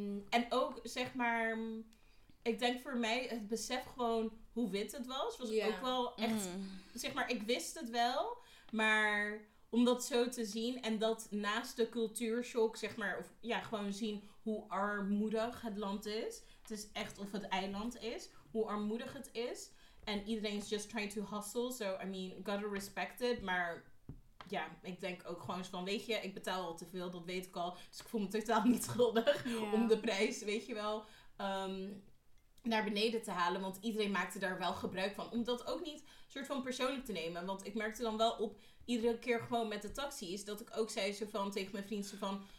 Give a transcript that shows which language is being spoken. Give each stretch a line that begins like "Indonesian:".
Dutch: En ook, zeg maar... Ik denk voor mij het besef gewoon hoe wit het was. Was, yeah, ook wel echt... Mm. Zeg maar, ik wist het wel. Maar om dat zo te zien... En dat naast de cultuurshock, zeg maar... Of, ja, gewoon zien hoe armoedig het land is. Het is echt of het eiland is. Hoe armoedig het is... En iedereen is
English: just trying to hustle. So, I mean, gotta respect it.
Dutch: Maar ja, ik denk ook gewoon van... Weet je, ik betaal al te veel, dat weet ik al. Dus ik voel me totaal niet schuldig, yeah, om de prijs, weet je wel, naar beneden te halen. Want iedereen maakte daar wel gebruik van. Om dat ook niet soort van persoonlijk te nemen. Want ik merkte dan wel op iedere keer gewoon met de taxi's... Dat ik ook zei zo van tegen mijn vriend zo van...